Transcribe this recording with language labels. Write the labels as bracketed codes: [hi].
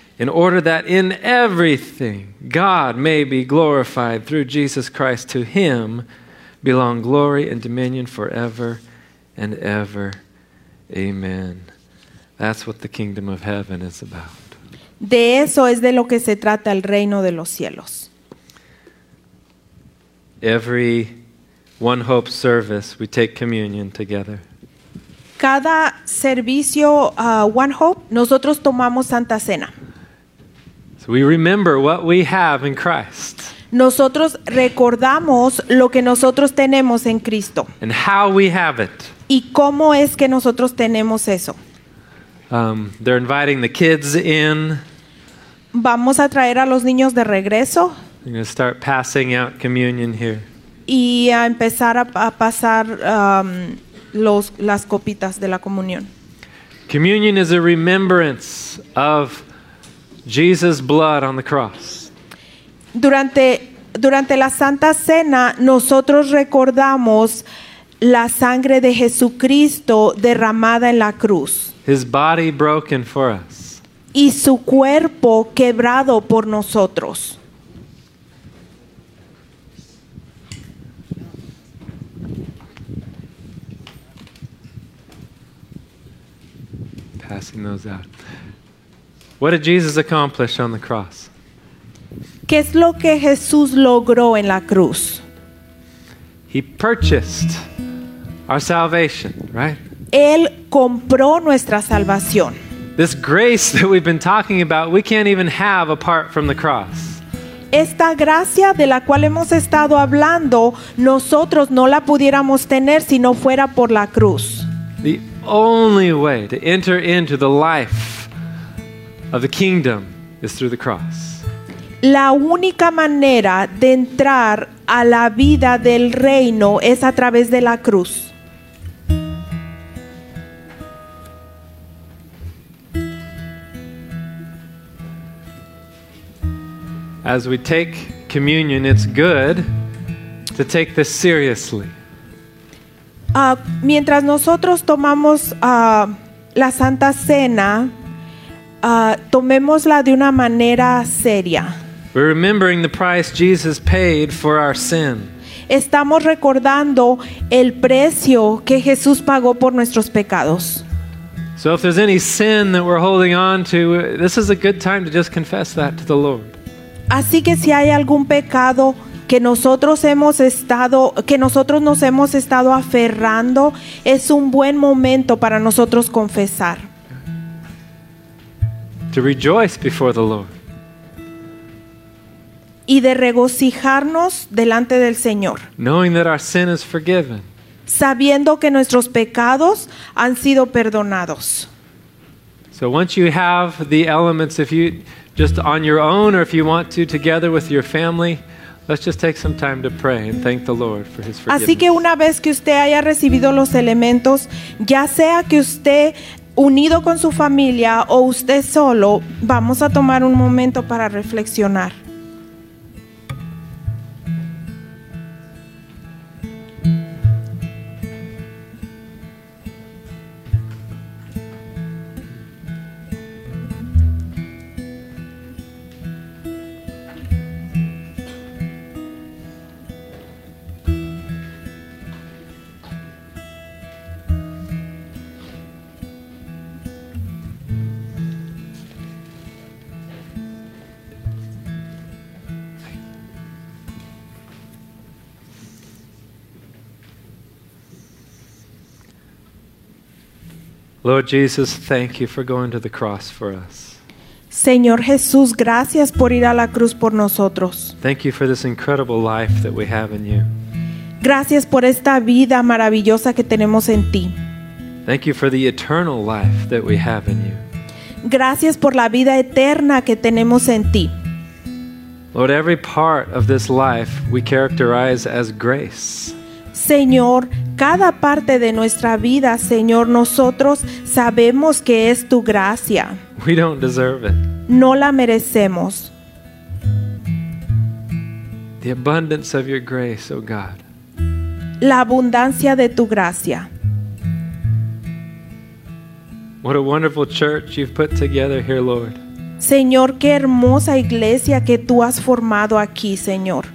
[en] In order that in everything God may be glorified through Jesus Christ, to him belong glory and dominion forever and ever. Amen. That's what the kingdom of heaven is about. [es] De eso es de lo que se trata el reino de los cielos. [en] Every One Hope service, we take communion together. [es] Cada servicio One Hope, nosotros tomamos Santa Cena. [en] So we remember what we have in Christ. [es] Nosotros recordamos lo que nosotros tenemos en Cristo. [en] And how we have it. [es] ¿Y cómo es que nosotros tenemos eso? [en] They're inviting the kids in. [es] Vamos a traer a los niños de regreso. [en] I'm going to start passing out communion here. [es] Y a empezar a pasar las copitas de la comunión. [en] Communion is a remembrance of Jesus' blood on the cross. [es] Durante la Santa Cena, nosotros recordamos la sangre de Jesucristo derramada en la cruz. [en] His body broken for us. [es] Y su cuerpo quebrado por nosotros. [en] Passing those out. What did Jesus accomplish on the cross? [es] ¿Qué es lo que Jesús logró en la cruz? [en] He purchased our salvation, right? [es] Él compró nuestra salvación. [en] This grace that we've been talking about, we can't even have apart from the cross. [es] Esta gracia de la cual hemos estado hablando, nosotros no la pudiéramos tener si no fuera por la cruz. [en] The only way to enter into the life of the kingdom is through the cross. [es] La única manera de entrar a la vida del reino es a través de la cruz. [en] As we take communion, it's good to take this seriously. [es] Mientras nosotros tomamos la Santa Cena, tomémosla de una manera seria. [en] We're remembering the price Jesus paid for our sin. [es] Estamos recordando el precio que Jesús pagó por nuestros pecados. [en] So if there's any sin that we're holding on to, this is a good time to just confess that to the Lord. [es] Así que si hay algún pecado que nosotros nos hemos estado aferrando, es un buen momento para nosotros confesar. [en] To rejoice before the Lord. [es] Y de regocijarnos delante del Señor. [en] Knowing that our sin is forgiven. [es] Sabiendo que nuestros pecados han sido perdonados. [en] So once you have the elements, if you just on your own or if you want to together with your family, let's just take some time to pray and thank the Lord for his forgiveness. [es] Así que una vez que usted haya recibido los elementos, ya sea que usted unido con su familia o usted solo, vamos a tomar un momento para reflexionar. [en] Lord Jesus, thank you for going to the cross for us. [es] Señor Jesús, gracias por ir a la cruz por nosotros. [en] Thank you for this incredible life that we have in you. [es] Gracias por esta vida maravillosa que tenemos en ti. [en] Thank you for the eternal life that we have in you. [es] Gracias por la vida eterna que tenemos en ti. [en] Lord, every part of this life we characterize as grace. [es] Señor, cada parte de nuestra vida, Señor, nosotros sabemos que es tu gracia. [en] We don't deserve it. [es] No la merecemos. [en] The abundance of your grace, oh God. [es] La abundancia de tu gracia. [en] What a wonderful church you've put together here, Lord. [es] Señor, qué hermosa iglesia que tú has formado aquí, Señor.